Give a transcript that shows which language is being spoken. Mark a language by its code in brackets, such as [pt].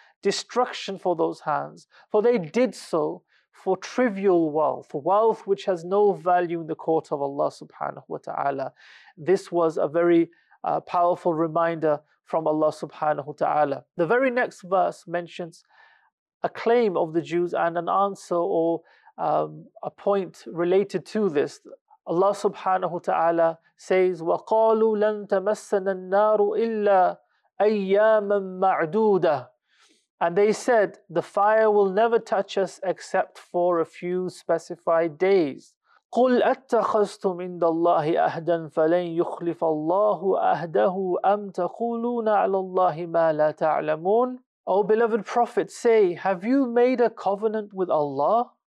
[en] Destruction for those hands, for they did so for trivial wealth, wealth which has no value in the court of Allah subhanahu wa ta'ala. This was a very powerful reminder from Allah subhanahu wa ta'ala. The very next verse mentions a claim of the Jews and an answer or a point related to this. Allah subhanahu wa ta'ala says, [ar] وَقَالُوا لَن تَمَسَّنَ النَّارُ إِلَّا أَيَّامًا مَعْدُودًا. [en] And they said, the fire will never touch us except for a few specified days. [ar] قُلْ أَتَّخَذْتُمْ إِنْدَ اللَّهِ أَهْدًا فَلَنْ يُخْلِفَ اللَّهُ أَهْدَهُ أَمْ تَقُولُونَ عَلَى اللَّهِ مَا لَا تَعْلَمُونَ. [en] O beloved Prophet, say, have you made a covenant with Allah?